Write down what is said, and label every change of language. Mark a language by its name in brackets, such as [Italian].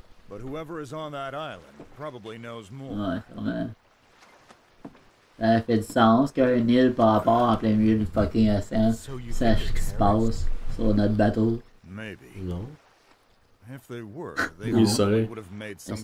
[English] But whoever is on that island probably knows more. [French] Ouais, comment? Ça fait du sens qu'un île par rapport en plein milieu du fucking océan sache ce qui se passe sur notre bateau. [English] Maybe. Non. If they were, they would have made some.